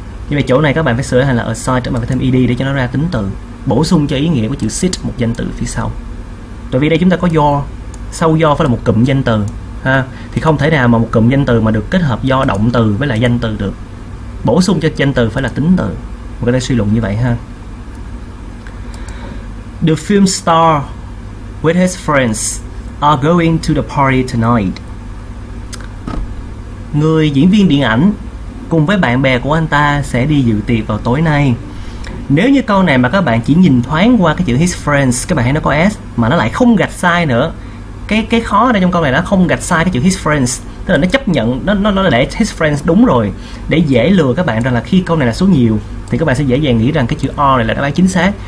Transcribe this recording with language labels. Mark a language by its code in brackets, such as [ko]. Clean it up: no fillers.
[vi] Nhưng mà chỗ này các bạn phải sửa thành là assigned, các bạn phải thêm ed để cho nó ra tính từ, bổ sung cho ý nghĩa của chữ seat một danh từ phía sau. Tại vì đây chúng ta có your, sau your phải là một cụm danh từ ha, thì không thể nào mà một cụm danh từ mà được kết hợp your động từ với lại danh từ được, bổ sung cho danh từ phải là tính từ. Một cái suy luận như vậy ha. [en] The film star with his friends are going to the party tonight. [vi] Người diễn viên điện ảnh cùng với bạn bè của anh ta sẽ đi dự tiệc vào tối nay. Nếu như câu này mà các bạn chỉ nhìn thoáng qua cái chữ his friends, các bạn thấy nó có s mà nó lại không gạch sai nữa. Cái khó ở đây trong câu này nó không gạch sai cái chữ his friends, tức là nó chấp nhận, nó để his friends đúng rồi, để dễ lừa các bạn rằng là khi câu này là số nhiều thì các bạn sẽ dễ dàng nghĩ rằng cái chữ R này là đáp án chính xác.